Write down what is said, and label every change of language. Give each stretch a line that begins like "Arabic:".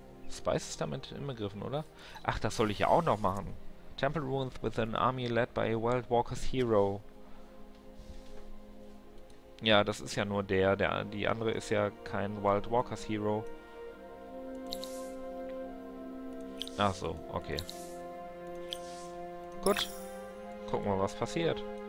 German: Spice ist damit inbegriffen, oder? Ach, das soll ich ja auch noch machen.
English: Temple Ruins with an army led by a Wild Walker's Hero.
German: Ja, das ist ja nur die andere ist ja kein Wild Walker's Hero. Ach so, okay. Gut. Gucken wir, was passiert.